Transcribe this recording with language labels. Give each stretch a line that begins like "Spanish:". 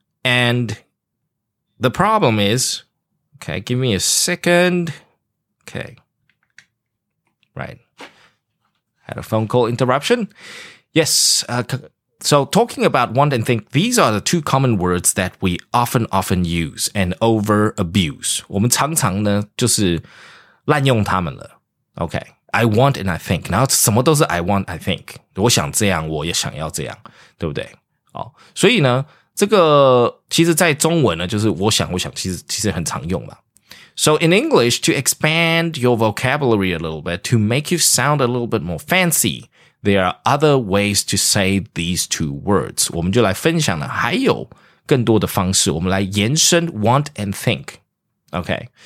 English: And the problem is, okay, give me a second. Okay. Right. Had a phone call interruption. Yes. So talking about want and think, these are the two common words that we often use and over abuse.
Chinese: 我们常常呢就是滥用它们了。
English: Okay. I want and I think.
Chinese: 然后什么都是
English: I want, I think.
Chinese: 我想这样我也想要这样。对不对？好。所以呢这个其实在中文呢就是我想其实很常用嘛。
English: So in English, to expand your vocabulary a little bit, to make you sound a little bit more fancy, there are other ways to say these two words.
Chinese: 我们就来分享了还有更多的方式。我们来延伸
English: want and think. Okay.